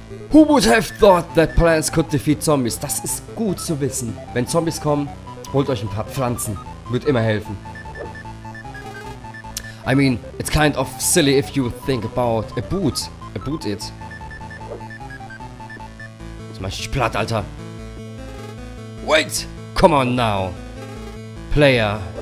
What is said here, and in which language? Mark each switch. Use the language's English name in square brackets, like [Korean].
[English] Who would have thought that plants could defeat zombies? [German] Das ist gut zu wissen. Wenn Zombies kommen, holt euch ein paar Pflanzen. Wird immer helfen. [English] I mean, it's kind of silly if you think about a boot. A boot it. [German] Das mach ich platt, Alter. [English] Wait! Come on now. Player.